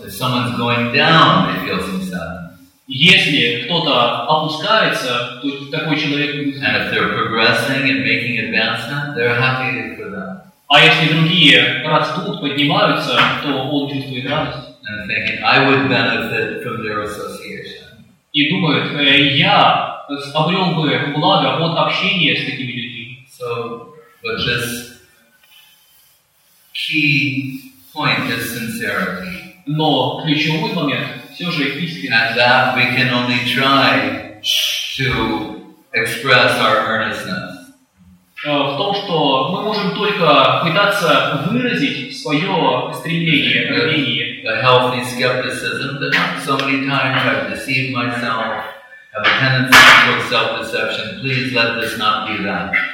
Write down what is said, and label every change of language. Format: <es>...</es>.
<en>If someone's going down, they feel some sadness.</en> <ru>Если кто-то опускается, то такой человек.</ru> <en>And if they're progressing and making advancement, they're happy for that.</en> <ru>А если другие растут, поднимаются, то он чувствует радость.</ru> <en>And thinking, I would benefit from their association.</en> <ru>И думают, я обрел бы благо от общения с такими людьми.</ru> <en>So, but this key point is sincerity.</en> <ru>Но ключевой момент все же искренность.</ru> <en>And that we can only try to express our earnestness.</en> <ru>В том, что мы можем только пытаться выразить свое стремление, намерение.</ru> <en>A healthy skepticism that so many times I've deceived myself, have a tendency towards self-deception. Please let this not be that.</en>